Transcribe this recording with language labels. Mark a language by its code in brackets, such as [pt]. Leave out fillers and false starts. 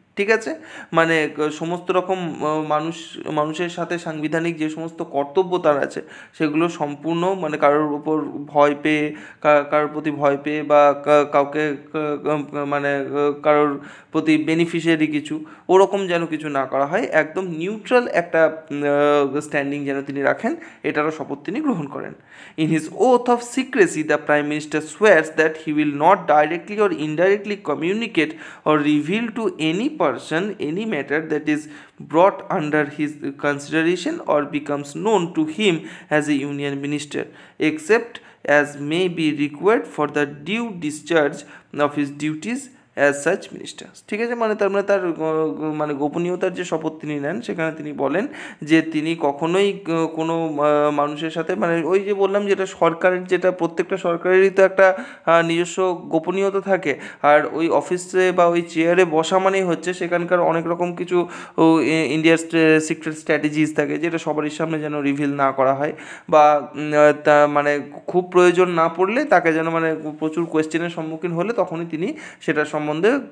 [bn] ঠিক আছে, মানে সমস্ত রকম মানুষের সাথে সাংবিধানিক যে সমস্ত কর্তব্য তার আছে, সেগুলো সম্পূর্ণ মানে কারোর উপর ভয় পেয়ে, কারোর প্রতি ভয় পেয়ে, বা কাউকে মানে কারোর প্রতি বেনিফিশিয়ারি কিছু, ওরকম যেন কিছু না করা হয়, একদম নিউট্রাল একটা স্ট্যান্ডিং যেন তিনি রাখেন, এটারও শপথ তিনি গ্রহণ করেন। [en] In his oath of secrecy the prime minister swears that he will not directly or indirectly communicate or reveal to any person any matter that is brought under his consideration or becomes known to him as a union minister except as may be required for the due discharge of his duties as such minister. [bn] ঠিক আছে, মানে তার মানে তার মানে গোপনীয়তার যে শপথ তিনি নেন, সেখানে তিনি বলেন যে তিনি কখনোই কোনো মানুষের সাথে, মানে ওই যে বললাম যেটা সরকারের, যেটা প্রত্যেকটা সরকারেরই তো একটা নিজস্ব গোপনীয়তা থাকে, আর ওই অফিসে বা ওই চেয়ারে বসা মানেই হচ্ছে সেখানকার অনেক রকম কিছু ইন্ডিয়ার সিক্রেট স্ট্র্যাটেজিস থাকে, যেটা সবারই সামনে যেন রিভিল না করা হয়, বা তা মানে খুব প্রয়োজন না পড়লে তাকে যেন, মানে প্রচুর কোয়েশ্চেনের সম্মুখীন হলে তখনই তিনি সেটা সম্বন্ধে